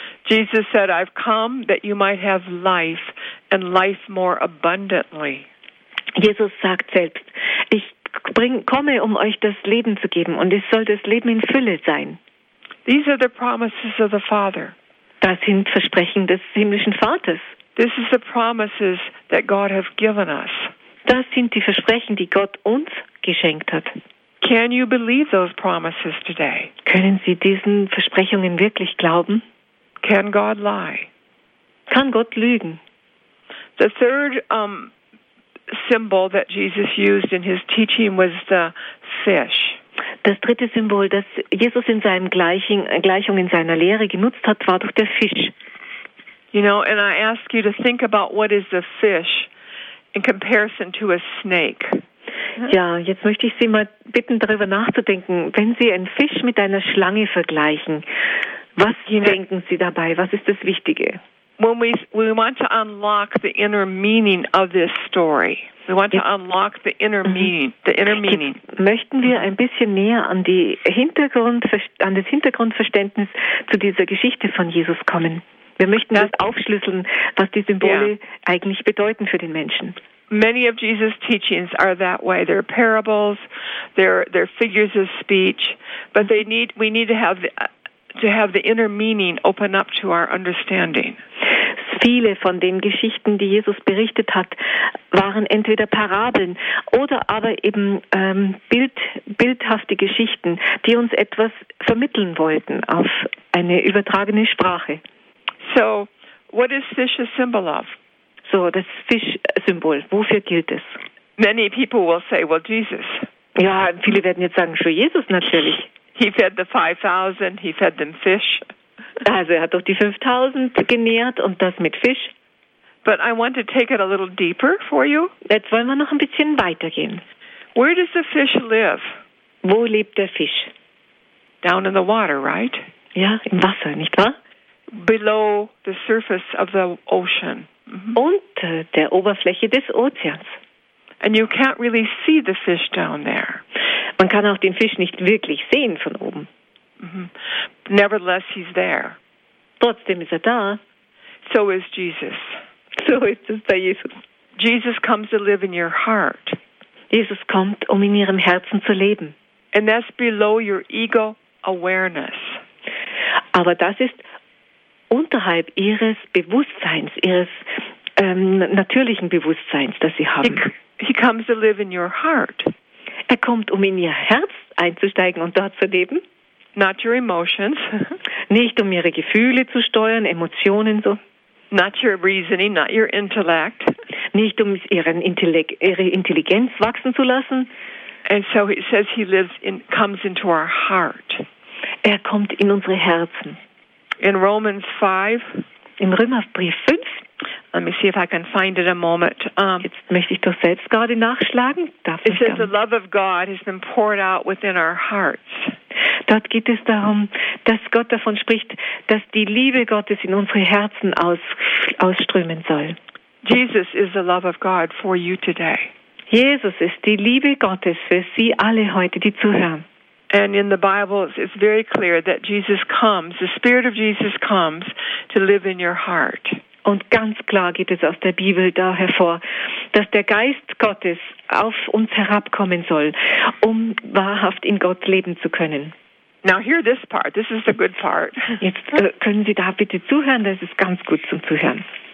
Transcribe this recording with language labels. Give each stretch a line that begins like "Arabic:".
English: Jesus said, I've come that you might have life and life more abundantly.
German: Jesus sagt selbst, ich komme, um euch das Leben zu geben und es soll das Leben in Fülle sein.
English: These are the promises of the Father.
German: Das sind Versprechen des himmlischen Vaters.
English: This is the promises that God has given us.
German: Das sind die Versprechen, die Gott uns geschenkt hat.
English: Can you believe those promises today?
German: Können Sie diesen Versprechungen wirklich glauben?
English: Can God lie?
German: Kann Gott lügen?
English: The third symbol that Jesus used in his teaching was the fish.
German: Das dritte Symbol, das Jesus in seinem Gleichung in seiner Lehre genutzt hat, war doch der Fisch.
English: You know, and I ask you to think about what is a fish in comparison to a snake.
German: Ja, jetzt möchte ich Sie mal bitten, darüber nachzudenken, wenn Sie einen Fisch mit einer Schlange vergleichen. Was denken Sie dabei? Was ist das Wichtige?
English: We want to unlock the inner meaning of this story. We want to unlock the inner meaning. The inner meaning.
German: Möchten wir ein bisschen näher an das Hintergrundverständnis zu dieser Geschichte von Jesus kommen? Wir möchten das aufschlüsseln, was die Symbole eigentlich bedeuten für den Menschen.
English: Many of Jesus' teachings are that way. They're parables. They're figures of speech. But we need to have the inner meaning open up to our understanding.
German: Viele von den Geschichten, die Jesus berichtet hat, waren entweder Parabeln oder aber eben bildhafte Geschichten, die uns etwas vermitteln wollten auf eine übertragene Sprache.
English: So, what is fish a symbol of?
German: So, das Fischsymbol, wofür gilt es?
English: Many people will say, well, Jesus.
German: Ja, viele werden jetzt sagen, schon Jesus natürlich.
English: He fed the 5,000, he fed them fish.
German: Also er hat doch die 5,000 genährt und das mit Fisch.
English: But I want to take it a little deeper for you.
German: Jetzt wollen wir noch ein bisschen weitergehen.
English: Where does the fish live?
German: Wo lebt der Fisch?
English: Down in the water, right?
German: Ja, im Wasser, nicht wahr?
English: Below the surface of the ocean.
German: Mm-hmm. Unter der Oberfläche des Ozeans.
English: And you can't really see the fish down there.
German: Man kann auch den Fisch nicht wirklich sehen von oben.
English: Mm-hmm. Nevertheless, he's there.
German: Trotzdem ist er da.
English: So is Jesus.
German: So ist es bei Jesus.
English: Jesus comes to live in your heart.
German: Jesus kommt, um in ihrem Herzen zu leben.
English: And that's below your ego awareness.
German: Aber das ist unterhalb ihres Bewusstseins, ihres natürlichen Bewusstseins, das sie haben.
English: He comes to live in your heart.
German: Er kommt, um in ihr Herz einzusteigen und dort zu leben.
English: Not your emotions.
German: Nicht um ihre Gefühle zu steuern, Emotionen so.
English: Not your reasoning, not your intellect.
German: Nicht um ihren ihre Intelligenz wachsen zu lassen.
English: And so it says he lives in, comes into our heart.
German: Er kommt in unsere Herzen.
English: In Romans 5.
German: Im Römerbrief 5.
English: Let me see if I can find it a moment.
German: Jetzt möchte ich doch selbst gerade nachschlagen. Darf
English: it says the love of God has been poured out within our hearts.
German: Dort geht es darum, dass Gott davon spricht, dass die Liebe Gottes in unsere Herzen ausströmen soll.
English: Jesus is the love of God for you today.
German: Jesus ist die Liebe Gottes für Sie alle heute, die zuhören.
English: And in the Bible it's very clear that Jesus comes, the Spirit of Jesus comes to live in your heart.
German: Und ganz klar geht es aus der Bibel da hervor, dass der Geist Gottes auf uns herabkommen soll, um wahrhaft in Gott leben zu können.
English: Now hear this part. This is the good part.
German: Jetzt können Sie da bitte zuhören, das ist ganz gut zum Zuhören.